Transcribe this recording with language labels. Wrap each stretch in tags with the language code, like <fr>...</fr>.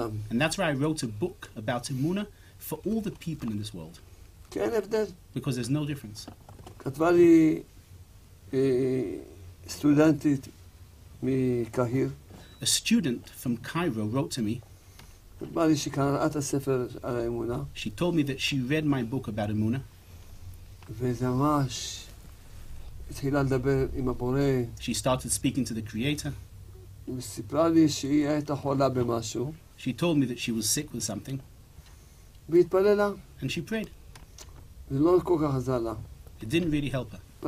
<en>And that's why I wrote a book about Emuna for all the people in this world. Because there's no difference.</en> <he>כתבה לי סטודנטית מקהיר.</he> <en>A student from Cairo wrote to me.</en> <he>כתבה לי שקראת הספר על האמונה.</he> <en>She told me that she read my book about Emuna.</en> <he>וזה ממש התחילה לדבר עם הבורא.</he> <en>She started speaking to the Creator.</en> <he>וסיפרה לי שהיא הייתה חולה במשהו.</he> <en>She told me that she was sick with something.</en> <he>והתפללה.</he> <en>And she prayed.</en> <he>ולא כל כך עזר לה.</he> <en>It didn't really help her.</en>